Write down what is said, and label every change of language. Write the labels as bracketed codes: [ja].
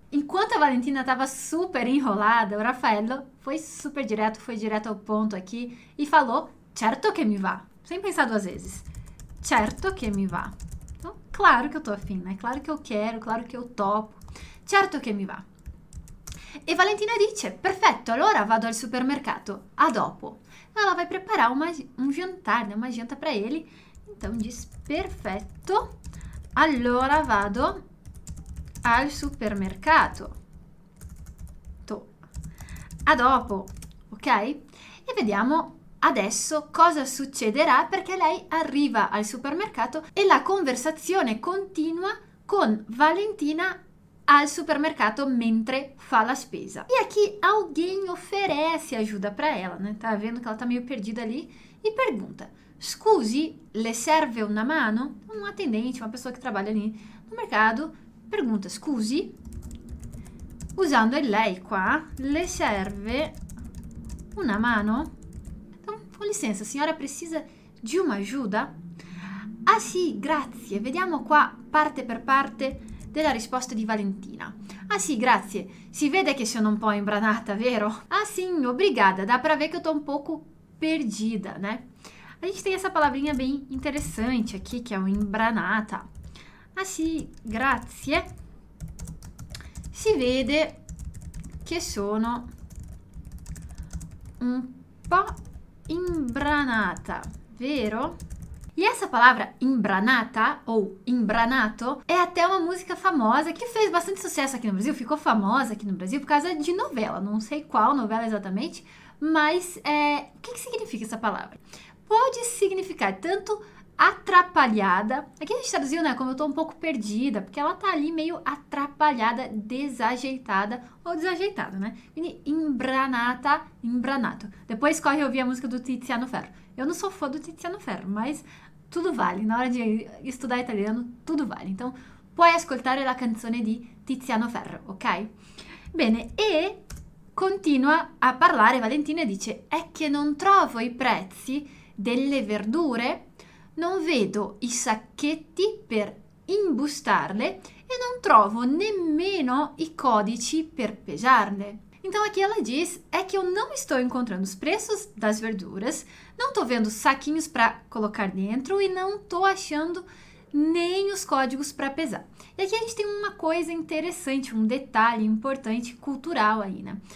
[pt] Enquanto a Valentina estava super enrolada, o Raffaello foi direto ao ponto aqui e falou, certo que me vá. Sem pensar duas vezes. Certo que me vá. Então, claro que eu tô afim, né? Claro que eu quero, claro que eu topo. Certo que me vá. [it] E Valentina dice, perfetto, allora vado al supermercato. A dopo. [pt] Ela vai preparar um jantar, né? Uma janta para ele. Então, diz, perfetto. [it] Allora vado al supermercato. Tô. A dopo, ok? E vediamo adesso cosa succederà perché lei arriva al supermercato e la conversazione continua con Valentina al supermercato mentre fa la spesa. [pt] E aqui alguém oferece ajuda para ela, né? Tá vendo que ela tá meio perdida ali e pergunta. [it] Scusi, le serve una mano? [pt] Um atendente, uma pessoa que trabalha ali no mercado, pergunta, [it] scusi, usando il lei qua, le serve una mano? [pt] Então, com licença, a senhora precisa de uma ajuda? [it] Ah sì, grazie, vediamo qua parte per parte della risposta di Valentina. Ah sì, grazie. Si vede che sono un po' imbranata, vero? [pt] Ah sì, obrigada. Dá pra ver que eu tô um pouco perdida, né? A gente tem essa palavrinha bem interessante aqui, que é o imbranata. [it] Ah sì, grazie. Si vede che sono un po' imbranata, vero? [pt] E essa palavra imbranata ou imbranato é até uma música famosa que fez bastante sucesso aqui no Brasil, ficou famosa aqui no Brasil por causa de novela, não sei qual novela exatamente, mas o que significa essa palavra? Pode significar tanto atrapalhada, aqui a gente traduziu, né, como eu tô um pouco perdida, porque ela tá ali meio atrapalhada, desajeitada ou desajeitada, né? Quindi imbranata, imbranato. Depois corre ouvir a música do Tiziano Ferro. Eu não sou fã do Tiziano Ferro, mas tudo vale. Na hora de estudar italiano, tudo vale. [it] Então, puoi ascoltare la canzone di Tiziano Ferro, ok? Bene, e continua a parlare Valentina e dice: è che non trovo i prezzi delle verdure, non vedo i sacchetti per imbustarle e non trovo nemmeno i codici per pesarle. [pt] Então aqui ela diz, é que eu não estou encontrando os preços das verduras, não estou vendo saquinhos para colocar dentro e não estou achando nem os códigos para pesar. E aqui a gente tem uma coisa interessante, um detalhe importante cultural aí, né?